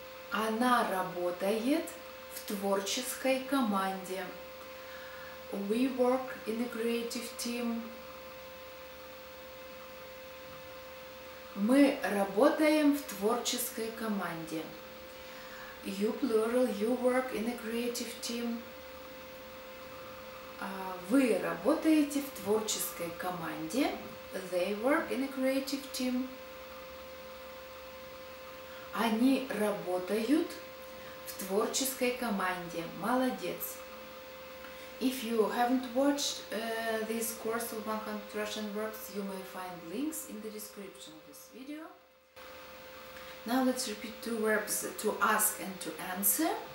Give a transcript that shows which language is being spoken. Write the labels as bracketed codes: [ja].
[ru] Она работает в творческой команде. [en] We work in a creative team. [ru] Мы работаем в творческой команде. [en] You plural, you work in a creative team. [ru] Вы работаете в творческой команде. [en] They work in a creative team. [ru] Они работают в творческой команде. Молодец! [en] If you haven't watched this course of 100 Russian words, you may find links in the description of this video. Now let's repeat two verbs, to ask and to answer.